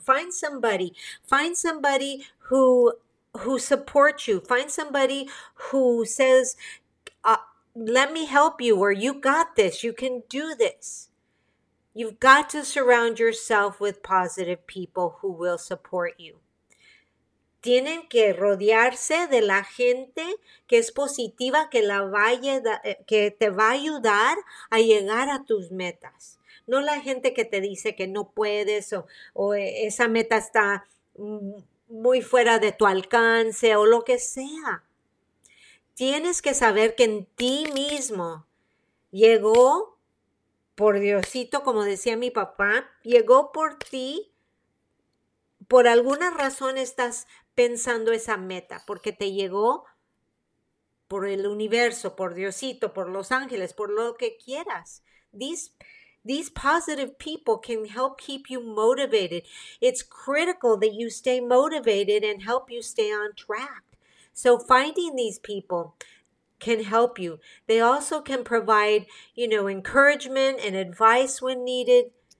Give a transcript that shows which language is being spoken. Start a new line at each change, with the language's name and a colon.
English: Find somebody who supports you. Find somebody who says, let me help you, or you got this, you can do this. You've got to surround yourself with positive people who will support you.
Spanish: Tienen que rodearse de la gente que es positiva, que te va a ayudar a llegar a tus metas. No la gente que te dice que no puedes o esa meta está muy fuera de tu alcance o lo que sea. Tienes que saber que en ti mismo llegó por Diosito, como decía mi papá, llegó por ti. Por alguna razón estás pensando esa meta, porque te llegó por el universo, por Diosito, por los ángeles, por lo que quieras.
English: These positive people can help keep you motivated. It's critical that you stay motivated and help you stay on track. So finding these people can help you. They also can provide, you know, encouragement and advice when needed.